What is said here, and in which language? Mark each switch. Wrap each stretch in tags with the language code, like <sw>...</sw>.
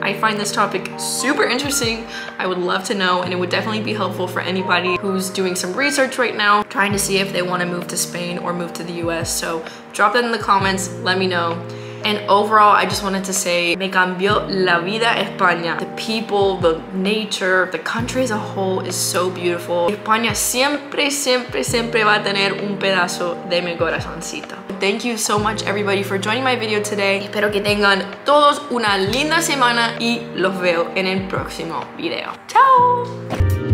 <en>I find this topic super interesting. I would love to know, and it would definitely be helpful for anybody who's doing some research right now, trying to see if they want to move to Spain or move to the US. So drop that in the comments, let me know. And overall, I just wanted to say,</en> <es>me cambió la vida España.</es> <en>The people, the nature, the country as a whole is so beautiful.</en> <es>España siempre, siempre, siempre va a tener un pedazo de mi corazoncito.</es> <en>Thank you so much, everybody, for joining my video today.</en> <es>Espero que tengan todos una linda semana y los veo en el próximo video. Chao!</es>